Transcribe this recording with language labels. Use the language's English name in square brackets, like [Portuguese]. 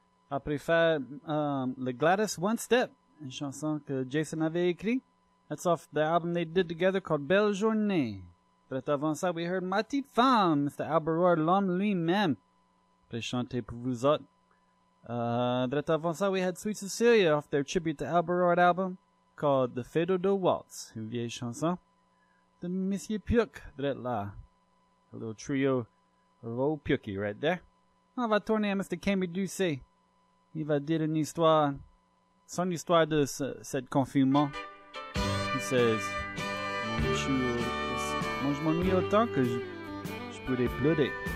[English] I prefer [French] Le Gladys One Step, a chanson que Jason avait écrit. [English] That's off the album they did together called Belle Journée. But [French] avant ça, [English] we heard Ma Petite Femme, Mr. Al Berard, [French] l'homme lui-même. Peut chanter pour vous autres. [English] But [French] avant ça, [English] we had Sweet Cecilia off their tribute to Al Berard album called The Fado de Waltz, [French] une vieille chanson. The Monsieur Puck, drette là. [English] A little trio of old Pukie right there. [French] On va tourner à Mr. Camry Ducé. Il va dire une histoire, son histoire de cette confinement. [English] He says, [French] moi je m'ennuie autant que je pourrais pleurer.